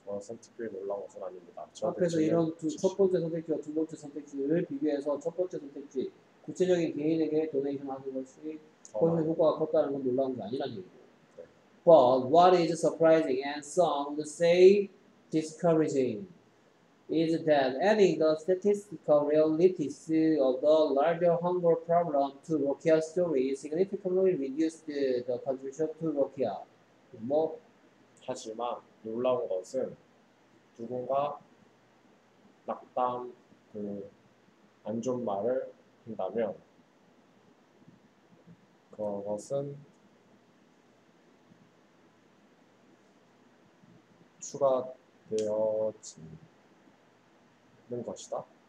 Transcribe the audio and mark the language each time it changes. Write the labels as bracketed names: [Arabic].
[Korean] 선택지에 놀라운 것은 아닙니다. 앞에서 이런 두 첫 번째 선택지와 두 번째 선택지를 비교해서 첫 번째 선택지 구체적인 개인에게 도네이션 하는 것이 훨씬 효과가 컸다는 건 놀라운 게 아니라는 얘기죠. 네. [English] But what is surprising and some say discouraging is that adding the statistical reality of the larger hunger problem to Rokia's story significantly reduced the contribution to Rokia. [Korean] 뭐? 하지만 놀라운 것은 누군가 낙담 그 안 좋은 말을 한다면 그것은 추가되어지는 것이다.